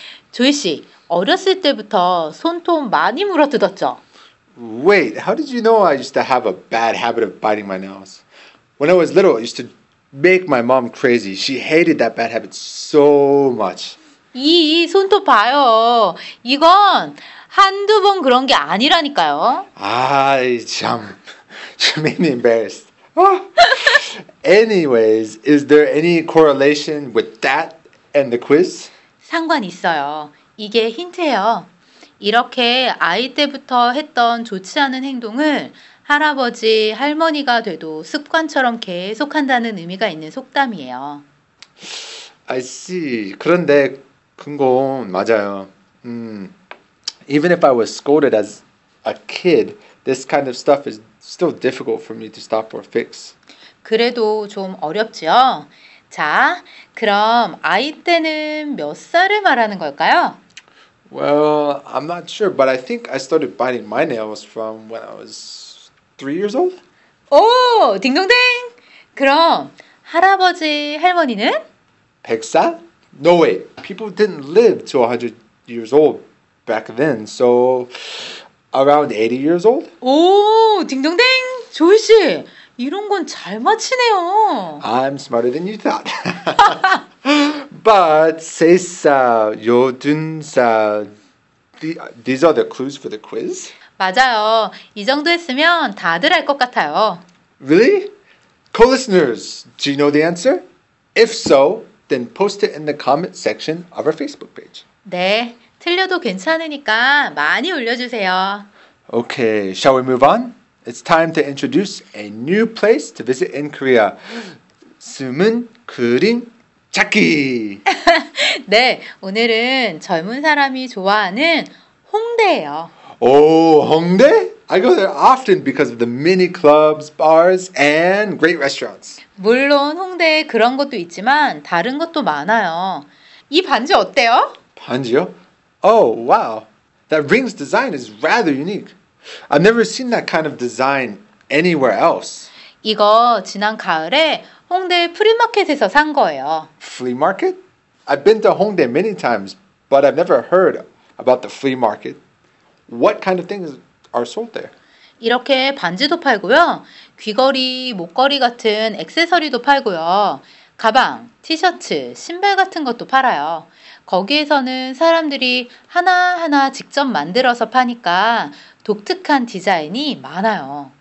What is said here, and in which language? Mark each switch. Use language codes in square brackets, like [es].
[ko] 조이 씨, 어렸을 때부터 손톱 많이 물어뜯었죠? [en] Wait, how did you know I used to have a bad habit of biting my nails? When I was little, I used to make my mom crazy. She hated that bad habit so much. [ko] 이 손톱 봐요. 이건 한두 번 그런 게 아니라니까요. 아이, 참. [en] She made me embarrassed. Anyways, is there any correlation with that and the quiz? [ko] 상관 있어요. 이게 힌트예요. 이렇게 아이 때부터 했던 좋지 않은 행동을 할아버지, 할머니가 돼도 습관처럼 계속한다는 의미가 있는 속담이에요. [en] I see. [ko] 그런데 그건 맞아요. [en] Even if I was scolded as a kid, this kind of stuff is still difficult for me to stop or fix. [ko] 그래도 좀 어렵지요? 자, 그럼 아이 때는 몇 살을 말하는 걸까요? [en] Well, I'm not sure, but I think I started biting my nails from when I was 3 years old. [ko] 오, 딩동댕! 그럼 할아버지, 할머니는? [en] 100살? No way. People didn't live to 100 years old back then, so around 80 years old. [ko] 오, 딩동댕! 조이 씨, 이런 건 잘 맞히네요. [en] I'm smarter than you thought. But 3살, 8살, these are the clues for the quiz? [ko] 맞아요. 이 정도 했으면 다들 알 것 같아요. [en] Really? Co-listeners, do you know the answer? If so, then post it in the comment section of our Facebook page. [ko] 네, 틀려도 괜찮으니까 많이 올려주세요. [en] Okay, shall we move on? It's time to introduce a new place to visit in Korea. [ko] 숨은 그림 찾기! 네, 오늘은 젊은 사람이 좋아하는 홍대예요. [en] Oh, Hongdae? I go there often because of the many clubs, bars, and great restaurants. [ko] 물론 홍대에 그런 것도 있지만 다른 것도 많아요. 이 반지 어때요? 반지요? [en] Oh, wow. That ring's design is rather unique. I've never seen that kind of design anywhere else. [ko] 이거 지난 가을에 홍대 프리마켓에서 산 거예요. [en] Flea market? I've been to Hongdae many times, but I've never heard about the flea market. What kind of things are sold there? [ko] 이렇게 반지도 팔고요. 귀걸이, 목걸이 같은 액세서리도 팔고요. 가방, 티셔츠, 신발 같은 것도 팔아요. 거기에서는 사람들이 하나하나 직접 만들어서 파니까 독특한 디자인이 많아요.